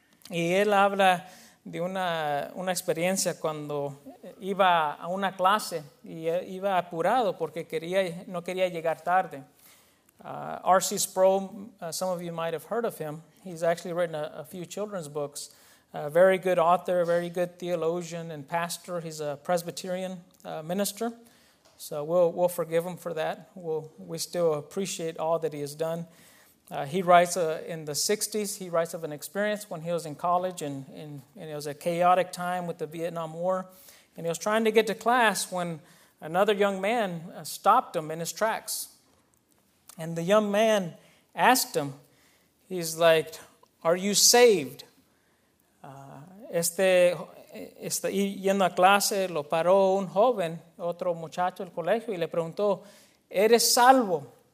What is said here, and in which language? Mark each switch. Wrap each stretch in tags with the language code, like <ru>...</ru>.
<es>Y él habla de una experiencia cuando iba a una clase y iba apurado porque no quería llegar tarde.</es> <en>R.C. Sproul, some of you might have heard of him. He's actually written a few children's books. A very good author, very good theologian and pastor. He's a Presbyterian minister. So we'll forgive him for that. We still appreciate all that he has done. He writes in the 60s, he writes of an experience when he was in college and it was a chaotic time with the Vietnam War. And he was trying to get to class when another young man stopped him in his tracks. And the young man asked him, he's like, "Are you saved?"</en> <es>Yendo a clase, lo paró un joven, otro muchacho del colegio, y le preguntó, "¿Eres salvo?"</es>